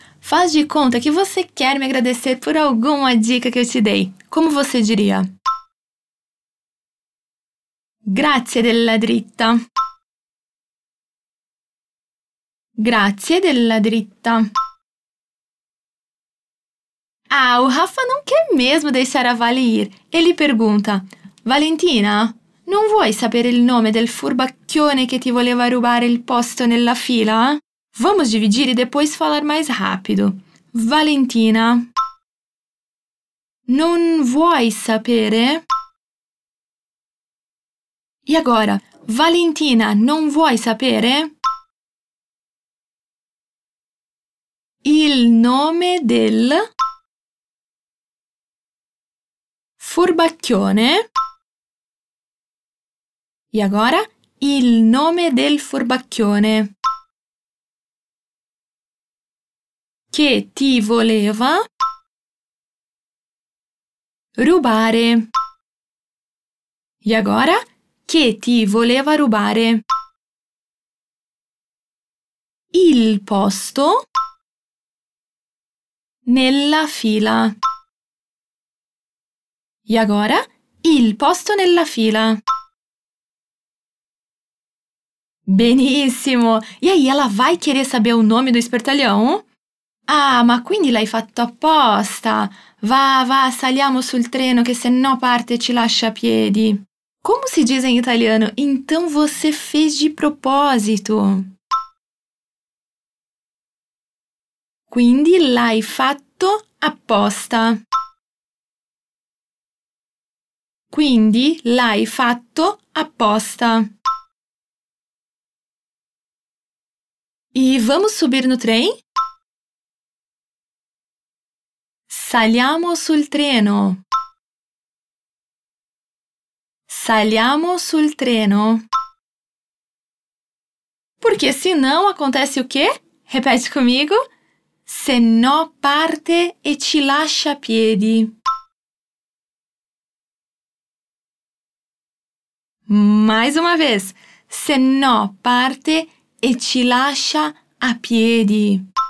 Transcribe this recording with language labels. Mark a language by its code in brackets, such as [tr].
[pt] Faz de conta que você quer me agradecer por alguma dica que eu te dei. Como você diria? [it] Grazie della dritta. Grazie della dritta. [pt] Ah, o Rafa não quer mesmo deixar a Vale ir. Ele pergunta, [it] Valentina, não vuoi sapere il nome del furbacchione che ti voleva rubare il posto nella fila? [pt] Vamos dividir e depois falar mais rápido. [it] Valentina, non vuoi sapere? [pt] E agora, [it] Valentina, non vuoi sapere? Il nome del furbacchione. [pt] E agora, [it] il nome del furbacchione. Che ti voleva rubare. [pt] E agora? [it] Che ti voleva rubare. Il posto nella fila. [pt] E agora? [it] Il posto nella fila. Benissimo! [pt] E aí, ela vai querer saber o nome do espertalhão? [it] Ah, ma quindi l'hai fatto apposta! Va, va, saliamo sul treno che se no parte ci lascia a piedi! Come si dice in italiano? [pt] Então você fez [it] di proposito! Quindi l'hai fatto apposta! Quindi l'hai fatto apposta! [pt] E vamos subir no trem? [it] Saliamo sul treno. Saliamo sul treno. [pt] Porque se não acontece o quê? Repete comigo. [it] Se no parte e ci lascia a piedi. [pt] Mais uma vez. [it] Se no parte e ci lascia a piedi.